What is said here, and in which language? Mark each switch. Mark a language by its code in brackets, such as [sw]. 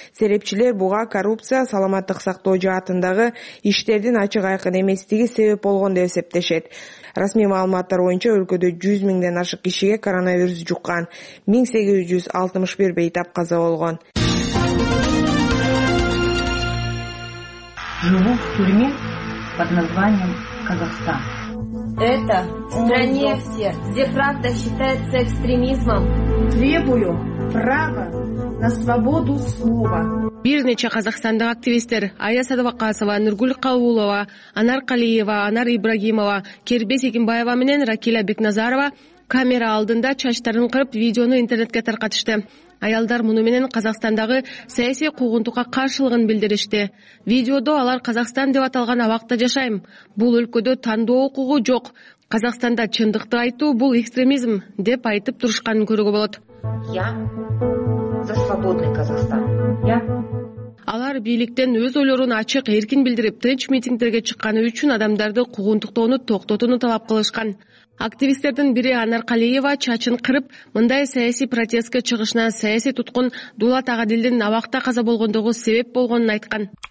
[ky] Серепчилер буга коррупция саламаттык сактоо жаатындагы иштердин ачык айкын эместиги себеп болгон деп эсептешет. Расмий маалыматтар боюнча өлкөдө 100 миңден ашык кишиге коронавирус жуккан, 1861 бейтап каза болгон. [ru] Живу в тюрьме под названием Казахстан. Это в стране, где правда считается экстремизмом. Требую права на свободу слова. [ky] Бир нече казахстандык активисттер Ая Садыбакасова, Нургүл Кабулова, Анар Калиева, Анар Ибрагимова, Кербез Экимбаева менен Ракиля Бекназарова камера алдында чачтарын кырып видеону интернетке таркатышты. Аялдар муну менен Казакстандагы саясий куугунтукка каршылыгын билдиришти. Видеодо алар Казакстан деп аталган абакта жашайм. Бул өлкөдө тандоо укугу жок. Казакстанда чындыкты айтуу бул экстремизм деп айтып турушканын көрүүгө болот. [ru] Я за свободный Казахстан. [ky] Алар бийликтен өз ойлорун ачык эркин билдирип, тынч митингдерге чыкканы үчүн адамдарды куугунтуктоону токтотууну талап кылышкан. Активисттердин бири Анар Калиева чачын кырып, мындай саясий протестке чыгышына саясий туткун Дулат Агадилдин абакта каза болгондугу себеп болгонун айткан.